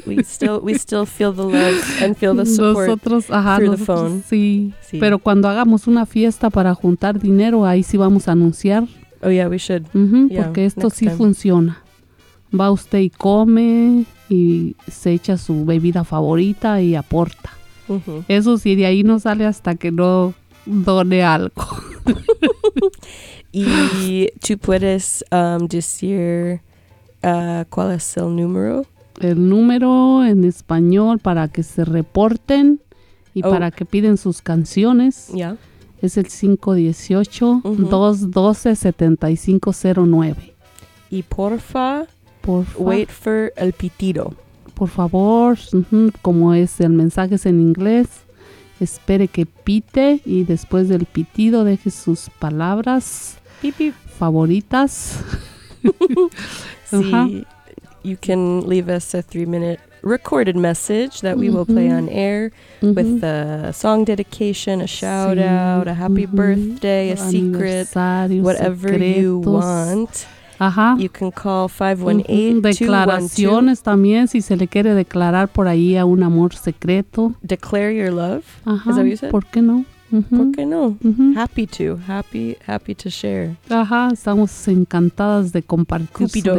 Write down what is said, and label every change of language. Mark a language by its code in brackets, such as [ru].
[en] We still feel the love and feel the support [es] nosotros, [en] the phone. [es] Sí. Sí, pero cuando hagamos una fiesta para juntar dinero, ahí sí vamos a anunciar. [en] Oh, yeah, we should. Uh-huh, yeah, [es] porque esto sí time. Funciona. Va usted y come y se echa su bebida favorita y aporta. Uh-huh. Eso sí, de ahí no sale hasta que no... done algo. Y tú puedes decir cuál es el número. El número en español para que se reporten y para que piden sus canciones. Ya. Yeah. Es el 518-212-7509. Y porfa, [en] wait for [es] el pitido. Por favor, como es el mensaje es en inglés. Espere que pite y después del pitido deje sus palabras favoritas. [en] Sí, you can leave us a 3-minute recorded message that we will play on air with a song dedication, a shout out, a happy birthday, a secret, whatever you want. Ajá. You can call 518-212. [es] Declaraciones también, si se le quiere declarar por ahí a un amor secreto. [en] Declare your love. Ajá. Is that what you said? [es] ¿Por qué no? [en] Mm-hmm. [es] ¿Por qué no? [en] Mm-hmm. Happy to. Happy to share. [es] Ajá. Estamos encantadas de compartir Cupido.